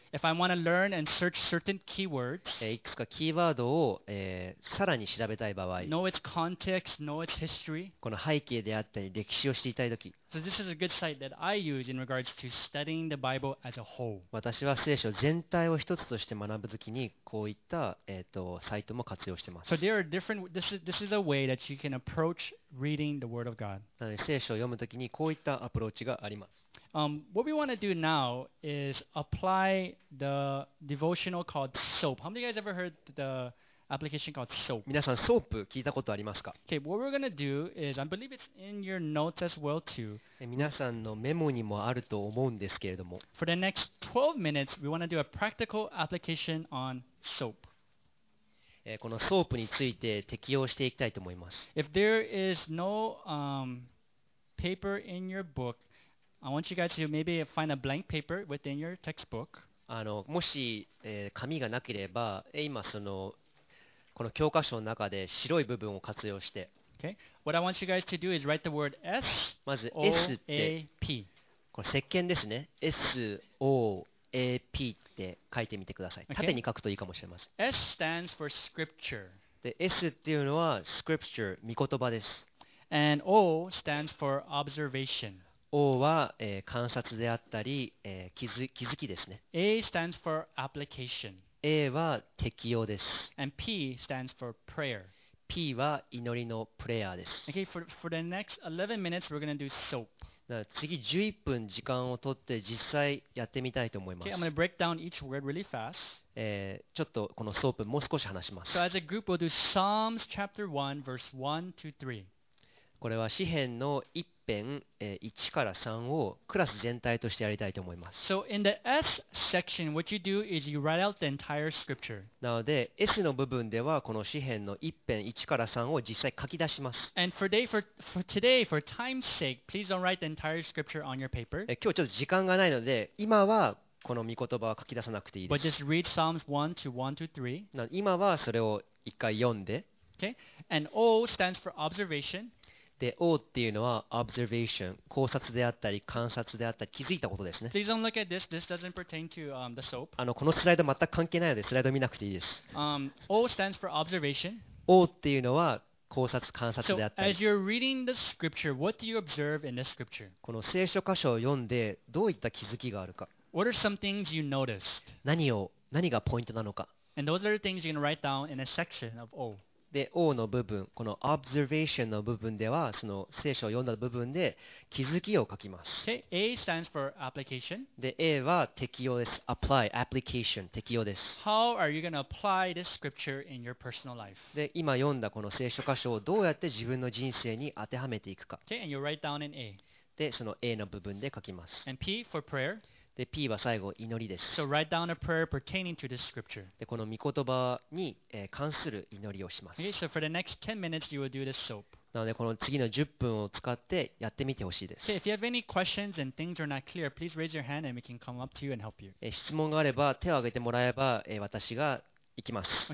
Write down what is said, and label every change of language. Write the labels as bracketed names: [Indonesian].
[English] if I want to learn and search certain keywords, [Japanese] いくつかキーワードを、さらに調べたい場合、 [English] know its context, know its history, [Japanese] この背景であったり歴史を知りたいとき、 [English] so this is a good site that I use in regards to studying the Bible as a whole. [Japanese] 私は聖書全体を一つとして学ぶときに、こういった、サイトも活用しています。 [English] So there are different, this is a way that you can approach reading the Word of God. [Japanese] なので聖書を読むときにこういったアプローチがあります。 [English] What we want to do now is apply the devotional called SOAP. How many of you guys ever heard the application called SOAP? [Japanese] 皆さん、ソープ聞いたことありますか? [English] Okay, what we're going to do is, I believe it's in your notes as well too. [Japanese] 皆さんのメモにもあると思うんですけれども。 [English] For the next 12 minutes, we want to do a practical application on SOAP. [Japanese] このソープについて適用していきたいと思います。 [English] If there is no, paper in your book, I want you guys to maybe find a blank paper within your textbook. [Japanese] もし、紙がなければ、今その、この教科書の中で白い部分を活用して。 [English] Okay. What I want you guys to do is write the word S. [Japanese] まず S って、 [English] O-A-P. [Japanese] これ石鹸ですね。S O. AP って書いてみてください。縦に書くといいかもしれません。 [English] Okay. S stands for scripture. [Japanese] で、S っていうのは scripture、御言葉です。 [English] And O stands for observation. [Japanese] O は、観察であったり、気づきですね。 [English] A stands for application. [Japanese] A は適用です。 [English] And P stands for prayer. [Japanese] P は祈りのプレイヤーです。 [English] Okay, for the next 11 minutes, we're going to do soap. [Japanese] 次11分時間を取って実際やってみたいと思います。 [English] Okay, I'm gonna break down each word really fast. [Japanese] ちょっとこのソープもう少し話します。 [English] So as a group, we'll do Psalms chapter 1, verse 1 to 3. [Japanese] これは詩編の一編、1から3をクラス全体としてやりたいと思います。 [English] So in the S section, what you do is you write out the entire scripture. [Japanese] なので S の部分ではこの詩編の一編1から3を実際書き出します。 [English] And for day, for today, for time's sake, please don't write the entire scripture on your paper. [Japanese] 今日ちょっと時間がないので今はこの御言葉は書き出さなくていいです。 [English] But just read Psalms 1 to 1 to 3. [Japanese] なので今はそれを一回読んで。 [English] Okay. And O stands for observation. [Japanese] で、O っていうのは observation、考察であったり観察であったり気づいたことですね。 [English] Please don't look at this. This doesn't pertain to the soap. [Japanese] このスライド全く関係ないのでスライド見なくていいです。 [English] O stands for observation. [Japanese] O っていうのは考察観察であったり。 [English] So as you're reading the scripture, what do you observe in the scripture? [Japanese] この聖書箇所を読んでどういった気づきがあるか。 [English] What are some things you noticed? [Japanese] 何がポイントなのか。 [English] And those are the things you're going to write down in a section of O. [Japanese] で、O の部分、この observation の部分では、その聖書を読んだ部分で気づきを書きます。 [English] Okay. A stands for application. [Japanese] で、A は適用です。apply, application, 適用です。 [English] How are you going to apply this scripture in your personal life? [Japanese] で、今読んだこの聖書箇所をどうやって自分の人生に当てはめていくか。 [English] Okay. And you write down in A. [Japanese] で、その A の部分で書きます。 [English] And P for prayer. [Japanese] で、P は最後、祈りです。 [English] So write down a prayer pertaining to this scripture. [Japanese] で、この御言葉に、関する祈りをします。 [English] Okay, so for the next 10 minutes, you will do this soap. [Japanese] なので、この次の10分を使ってやってみてほしいです。 [English] Okay, if you have any questions and things are not clear, please raise your hand and we can come up to you and help you. [Japanese] 質問があれば、手を挙げてもらえば、私が行きます。